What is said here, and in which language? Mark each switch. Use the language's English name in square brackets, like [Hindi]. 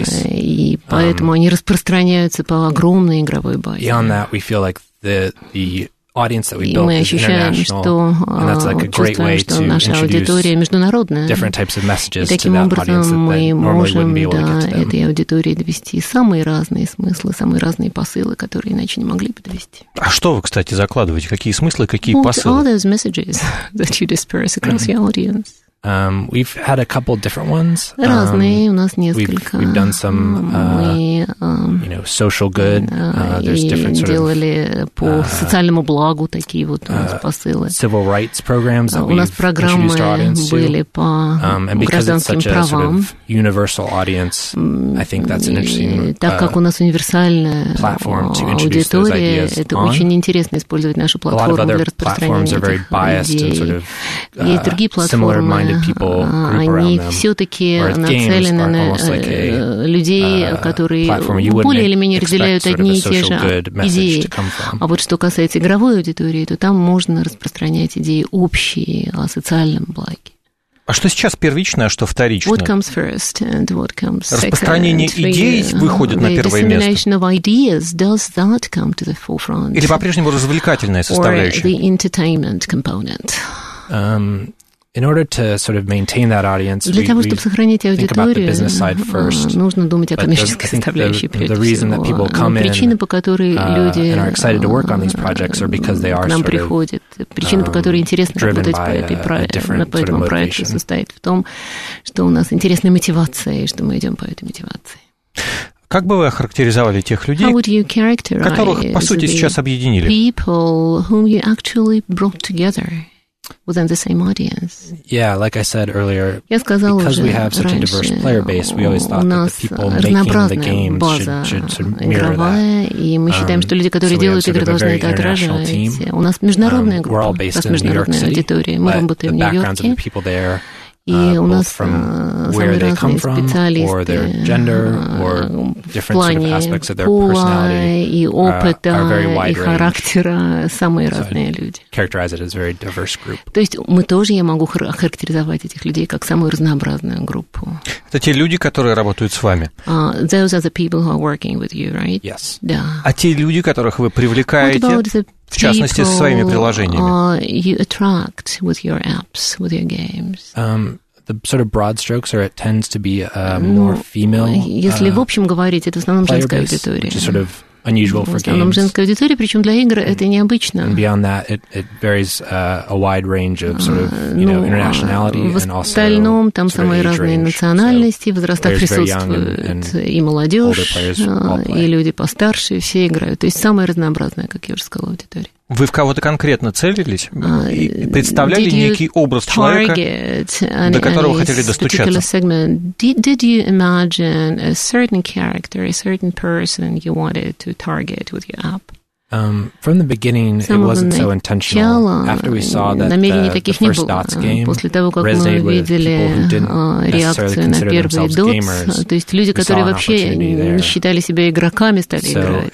[Russian] И поэтому они распространяются по огромной игровой базе. [English] Audience that we built is international, and that's like a great way to introduce different types of messages to that audience that they normally wouldn't be able to get to them. [Russian] Аудитории довести самые разные смыслы, самые разные посылы, которые иначе не могли бы довести. А что вы, кстати, закладываете? Какие смыслы, какие посылы? [English] All those messages that you disperse across your audience. We've had a couple different ones. [Russian] Разные у нас несколько. [English] We've done some, you know, social good. There's different sort of. [Russian] Делали по социальному благу такие вот у нас посылы. [English] Civil rights programs that we've introduced our audience to. [Russian] Были по гражданским правам. [English] And because it's such a sort of universal audience, I think that's an interesting. [Russian] Так как у нас универсальная платформа, [English] to introduce those ideas on. [Russian] Это очень интересно использовать нашу платформу для распространения этих идей. [English] A lot of other platforms are very biased and sort of. [Russian] И другие платформы. Они все-таки нацелены на людей, которые более или менее разделяют одни и те же идеи. А вот что касается игровой аудитории, то там можно распространять идеи общие о социальном благе. А что сейчас первично, а что вторично? [English] What comes first and what comes second? [Russian] Распространение идей выходит на первое место. [English] The dissemination of ideas, does that come to the forefront? [Russian] Или по-прежнему развлекательная составляющая? [English] Or the entertainment component? In order to sort of maintain that audience, we think about the business side first. [Russian] Нужно думать о коммерческой составляющей прежде всего. [English] The reason that people come in, [Russian] причина, по которой люди [English] and are excited to work on these projects, are because they are [Russian] к нам приходят. Причина, по которой интересно работать по этому проекту, состоит в том, что у нас интересная мотивация и что мы идем по этой мотивации. Как бы вы охарактеризовали тех людей, которых, по сути, сейчас объединили? [English] People whom you actually brought together. Within the same audience. Yeah, like I said earlier, because we have such a diverse player base, we always thought that the people making the games should sort of mirror that. [Russian] И мы считаем, что люди, которые делают игры, должны это отражать. У нас международная группа, у нас международная аудитория. Мы работаем в Нью-Йорке. И у нас самые разные специалисты [English] gender, [Russian] в плане пола и опыта и характера, самые разные люди. То есть мы тоже, я могу охарактеризовать этих людей как самую разнообразную группу. Это те люди, которые работают с вами? [English] Those are the people who are working with you, right? Yes. [Russian] Да. А те люди, которых вы привлекаете, в частности, со своими приложениями? [English] You attract with your apps, with your games. The sort of broad strokes are it tends to be more female. [Russian] Если в общем говорить, это в основном женская аудитория. [English] Which is sort of unusual for games. [Russian] В основном женская аудитория, причем для игр это необычно. [English] And beyond that, it varies a wide range of sort of internationality and also. [Russian] В остальном там самые разные национальности, возраста присутствуют и молодежь, и люди постарше, все играют. То есть самая разнообразная, как я уже сказала, аудитория. Вы в кого-то конкретно целились? Представляли некий образ человека, до которого хотели достучаться? [English] Did you imagine a certain character, a certain person you wanted to target with your app? From the beginning, it wasn't so intentional. After we saw that the first Dots game resonated with people who didn't necessarily consider themselves gamers, [Russian] то есть люди, которые вообще не считали себя игроками, стали играть.